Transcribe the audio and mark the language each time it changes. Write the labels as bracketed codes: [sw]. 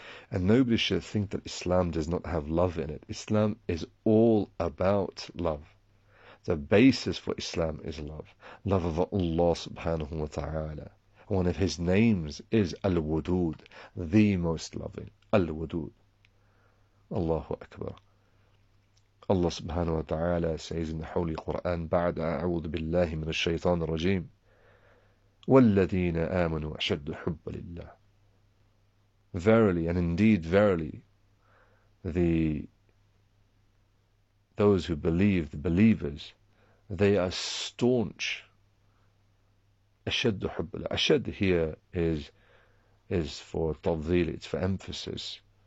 [en] And nobody should think that Islam does not have love in it. Islam is all about love. The basis for Islam is love. Love of Allah subhanahu wa ta'ala. One of his names is Al-Wudud, the most loving. Al-Wudud. Allahu Akbar. Allah subhanahu wa ta'ala says in the Holy Quran, [ar] بَعْدَ أَعُوذُ بِاللَّهِ مِنَ الشَّيْطَانِ الرَّجِيمِ وَالَّذِينَ آمَنُوا أَشَدُّ حُبَّ لِلَّهِ. [en] Verily, and indeed, verily, those who believe, the believers, they are staunch. Ashad Hubbala. Ashad here is for tawdhil, it's for emphasis.